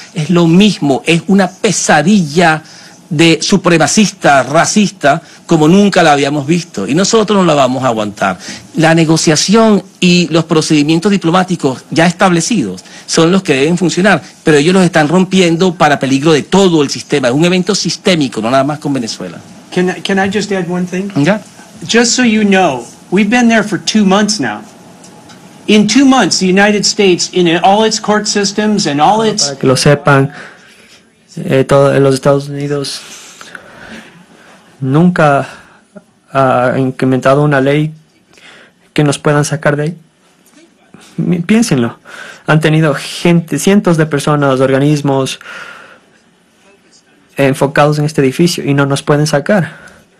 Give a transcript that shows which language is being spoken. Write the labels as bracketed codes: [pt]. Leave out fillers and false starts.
[es] Es lo mismo, es una pesadilla de supremacista, racista, como nunca la habíamos visto. Y nosotros no la vamos a aguantar. La negociación y los procedimientos diplomáticos ya establecidos son los que deben funcionar, pero ellos los están rompiendo para peligro de todo el sistema. Es un evento sistémico, no nada más con Venezuela. [en] Can I just add one thing? Yeah. Just so you know, we've been there for 2 months now. In 2 months, the United States, in all its court systems and all its... [es] Para que lo sepan, todo, los Estados Unidos nunca ha incrementado una ley que nos puedan sacar de ahí. Piénsenlo. Han tenido gente, cientos de personas, organismos enfocados en este edificio y no nos pueden sacar.